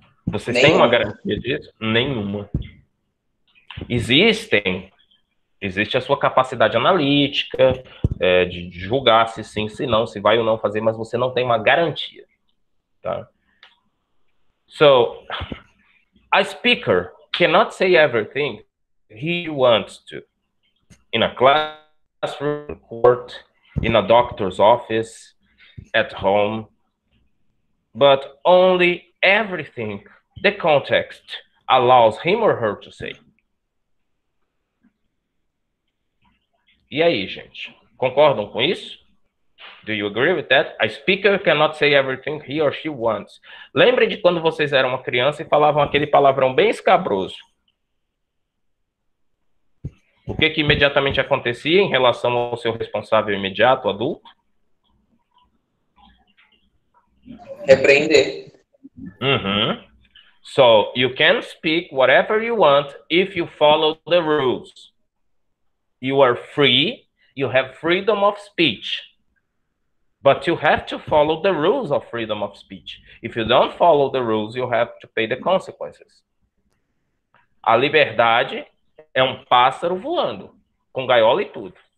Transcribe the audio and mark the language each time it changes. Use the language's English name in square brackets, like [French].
[Portuguese] Você tem uma garantia disso? Nenhuma. Existem existe a sua capacidade analítica, de julgar se sim, se não, se vai ou não fazer, mas você não tem uma garantia. Tá? [English] So, a speaker cannot say everything he wants to in a classroom, court, in a doctor's office, at home, but only everything the context allows him or her to say. [Portuguese] E aí, gente? Concordam com isso? [English] Do you agree with that? A speaker cannot say everything he or she wants. [Portuguese] Lembrem de quando vocês eram uma criança e falavam aquele palavrão bem escabroso. O que que imediatamente acontecia em relação ao seu responsável imediato, adulto? Repreender. Uhum. [English] So, you can speak whatever you want if you follow the rules. You are free, you have freedom of speech. But you have to follow the rules of freedom of speech. If you don't follow the rules, you have to pay the consequences. [Portuguese] A liberdade é um pássaro voando, com gaiola e tudo.